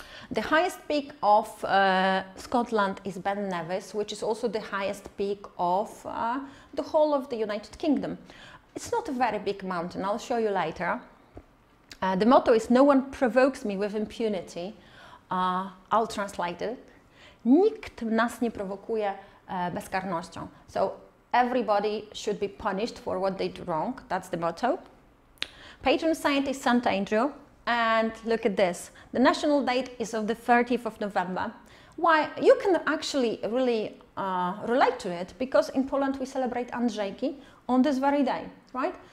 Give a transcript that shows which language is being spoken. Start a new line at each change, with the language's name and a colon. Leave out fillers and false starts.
English: The highest peak of Scotland is Ben Nevis, which is also the highest peak of the whole of the United Kingdom. It's not a very big mountain, I'll show you later. The motto is, no one provokes me with impunity. I'll translate it.
Polish: Nikt nas nie prowokuje bezkarnością.
English: So everybody should be punished for what they do wrong. That's the motto. Patron saint is St. Andrew. And look at this. The national date is of the 30th of November. Why? You can actually really relate to it, because in Poland we celebrate Andrzejki on this very day, right?